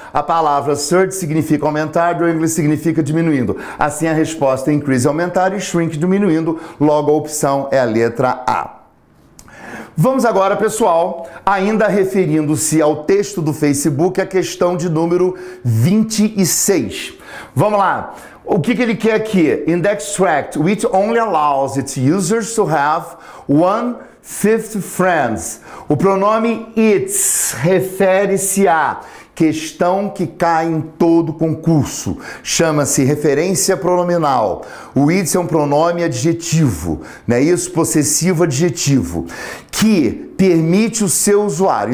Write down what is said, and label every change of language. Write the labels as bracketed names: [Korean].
[Portuguese] A palavra surge significa aumentar, dwindling significa diminuindo. Assim a resposta é increase aumentar e shrink diminuindo. Logo a opção é a letra A. Vamos agora, pessoal, ainda referindo-se ao texto do Facebook, a questão de número 26. Vamos lá. O que, que ele quer aqui? [English] Index tract, which only allows its users to have 1/5 friends. [Portuguese] O pronome its refere-se a questão que cai em todo concurso. Chama-se referência pronominal. O its é um pronome adjetivo, né? Isso, possessivo adjetivo, que permite o seu usuário.